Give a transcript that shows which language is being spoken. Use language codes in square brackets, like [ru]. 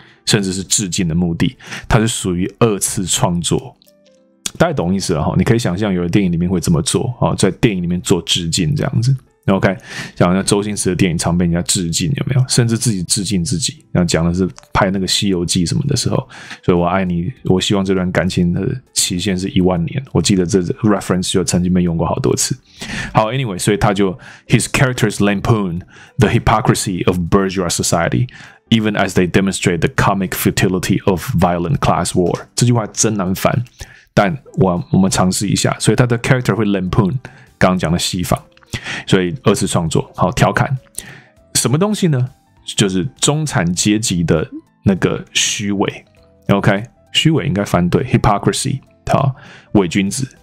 [zh] 甚至是致敬的目的，它是属于二次创作，大家懂意思了，你可以想象有的电影里面会这么做，在电影里面做致敬这样子 OK， 像周星驰的电影常被人家致敬，有没有？甚至自己致敬自己，然后讲的是拍那个西游记什么的时候，所以我爱你，我希望这段感情的期限是10000年，我记得这 reference 就曾经被用过好多次。 [en] 好 anyway， [zh] 所以他就 [en] His characters lampoon the hypocrisy of bourgeois societyeven as they demonstrate the comic futility of violent class war. [zh] 这句话真难翻，但 我们尝试一下。所以他的 character 会 lampoon 刚刚讲的西方，所以二次创作，好调侃什么东西呢？就是中产阶级的那个虚伪。 OK， 虚伪应该翻对 hypocrisy， 好伪君子。